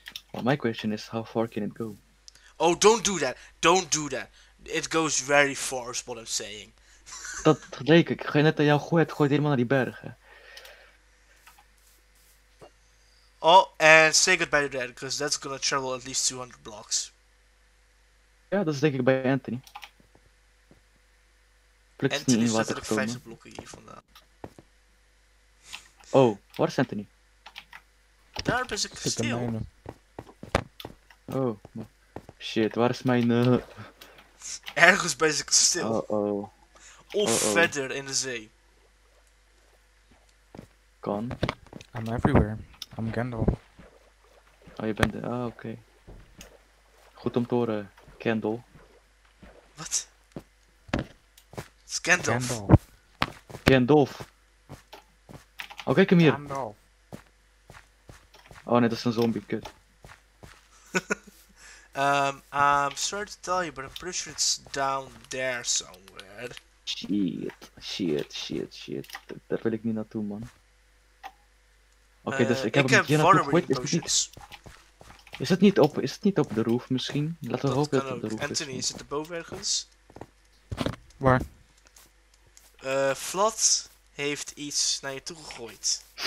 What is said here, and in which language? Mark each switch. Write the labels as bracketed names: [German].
[English] Well, my question is, how far can it go? Oh, don't do that. It goes very far, is what I'm saying. [Dutch] Dat leek ik. Ga je net aan jou gooien, het gooit helemaal naar die bergen. [English] Oh, and say goodbye to that, because that's gonna travel at least 200 blocks. [Dutch] Yeah, dat is denk ik bij Anthony. Anthony is letterlijk 50 blokken hier vandaan. Oh, waar is Anthony? Daar is een kasteel. Oh, shit, waar is mijn... Ergens bij zijn kasteel. Oh. Of verder in de zee. Kan. [English] I'm everywhere. I'm Gandalf. [Dutch] Oh, je bent... Ah, oké. Okay. Goed om te horen, Gandalf. Wat? Het is Gandalf. Gandalf. Oh, kijk hem hier. Oh nee, dat is een zombie, kut. [English] I'm sorry to tell you, but I'm pretty sure it's down there somewhere. Shit. [Dutch] Daar wil ik niet naartoe, man. Oké, dus ik heb hem hier naartoe gegooid. Is het niet op de roof misschien? Laten we hopen dat het op de roof Anthony, is. Anthony, is het erboven ergens? Waar? Vlad heeft iets naar je toe gegooid.